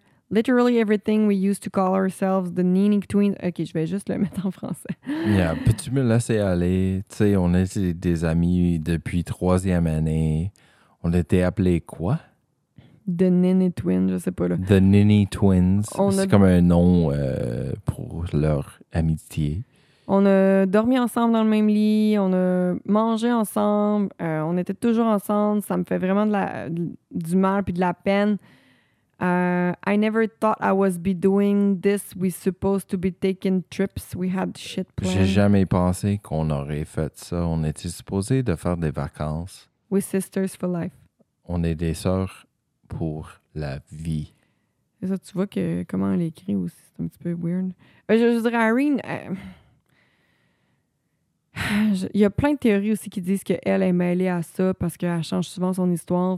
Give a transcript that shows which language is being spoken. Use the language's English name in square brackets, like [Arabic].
[English] Literally everything we used to call ourselves the Nini Twins. [French] OK, je vais juste le mettre en français. Yeah, peux-tu me laisser aller? Tu sais, on est des amis depuis troisième année. On était appelés quoi? The Nini Twins, je sais pas là. The Nini Twins, c'est comme un nom pour leur amitié. On a dormi ensemble dans le même lit, on a mangé ensemble, on était toujours ensemble. Ça me fait vraiment du mal puis de la peine. [English] I never thought I was be doing this. We supposed to be taking trips. We had shit planned. [French] J'ai jamais pensé qu'on aurait fait ça. On était supposé de faire des vacances. [English] We're sisters for life. [French] On est des sœurs pour la vie. C'est ça, tu vois que comment elle écrit aussi, c'est un petit peu weird. Je dirais, Irene, il y a plein de théories aussi qui disent qu'elle est mêlée à ça parce qu'elle change souvent son histoire.